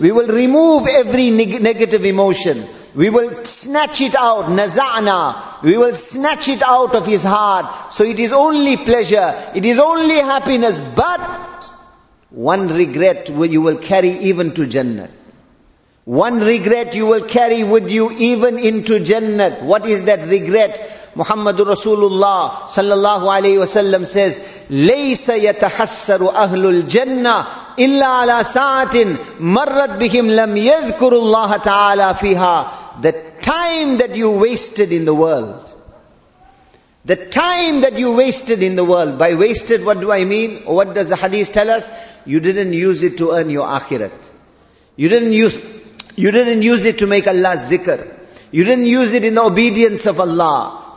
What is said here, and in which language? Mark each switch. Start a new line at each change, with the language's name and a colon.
English: We will remove every negative emotion. We will snatch it out, nazana. We will snatch it out of his heart. So it is only pleasure. It is only happiness. But one regret you will carry even to Jannah. One regret you will carry with you even into Jannah. What is that regret? Muhammadur Rasulullah sallallahu alayhi wa sallam says,
Arabic: لَيْسَ يَتَحَسَّرُ أَهْلُ الْجَنَّةِ إِلَّا عَلَى سَاعَةٍ مَرَّتْ بِهِمْ لَمْ يَذْكُرُ اللَّهَ تَعَالَى فِيهَا.
English: The time that you wasted in the world. The time that you wasted in the world. By wasted, what do I mean? What does the hadith tell us? You didn't use it to earn your akhirat. You didn't use it to make Allah's zikr. You didn't use it in the obedience of Allah.